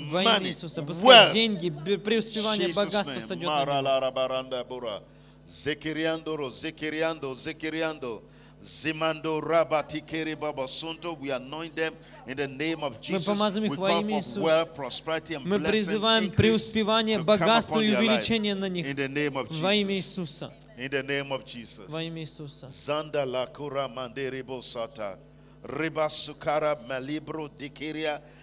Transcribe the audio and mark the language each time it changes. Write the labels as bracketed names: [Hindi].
[Russian] во имя Иисуса, пускай деньги, преуспевание, богатство сойдет на него. Марала рабаранда бура, зекириандо ро, зекириандо, зекириандо, зимандо рабати кери баба сунто. [English] We anoint them in the name of Jesus. [Russian] Мы помазываем их во имя Иисуса. [English] We call for wealth, prosperity, and blessing. [Russian] Мы призываем преуспевание, богатство и увеличение на них. [English] In the name of Jesus. [Russian] Во имя Иисуса. [English] In the name of Jesus. [Russian] Во имя Иисуса. Zanda la kura mandere bosata, riba sukara malibro dikiria.